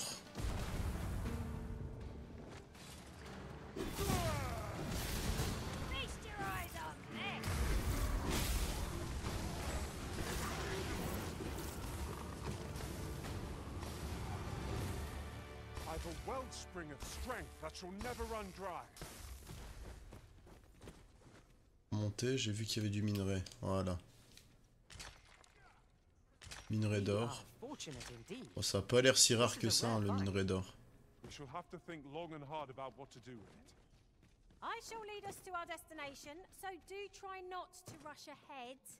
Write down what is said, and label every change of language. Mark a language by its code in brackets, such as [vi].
[en] I've a wellspring of strength that shall never run dry. [fr] Montez, j'ai vu qu'il y avait du minerai. Voilà. Minerai d'or. Bon, ça a pas l'air si rare que ça, hein, le minerai d'or. [en] I shall lead us to our destination, so do try not to rush ahead.